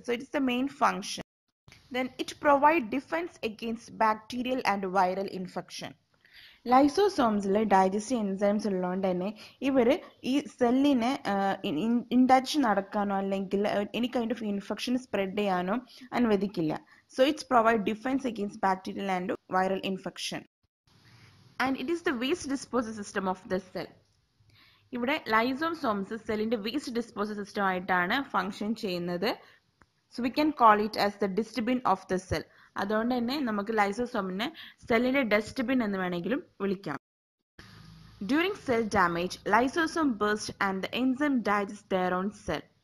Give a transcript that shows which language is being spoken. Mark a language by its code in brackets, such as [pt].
[en] So it's the main function. Then it provide defence against bacterial and viral infection. [ml] ലൈസോസോംസിലെ digestive enzymes ഉള്ളതുകൊണ്ട് തന്നെ ഇവർ ഈ സെല്ലിനെ indigestion നടക്കാനോ അല്ലെങ്കിൽ any kind of infection spread ചെയ്യാനോ അനുവദിക്കില്ല. [en] So it's provide defence against bacterial and viral infection. And it is the waste disposal system of the cell. [ml] ഇവിടെ ലൈസോസോംസ് സെല്ലിന്റെ വേസ്റ്റ് ഡിസ്പോസൽ സിസ്റ്റം ആയിട്ടാണ് ഫങ്ഷൻ ചെയ്യുന്നത്. [en] So we can call it as the dustbin of the cell. [ml] അതുകൊണ്ട് തന്നെ നമുക്ക് ലൈസോസോമിനെ സെല്ലിന്റെ dustbin എന്ന് വേണമെങ്കിലും വിളിക്കാം. [en] During cell damage lysosome burst and the enzyme digest their own cell.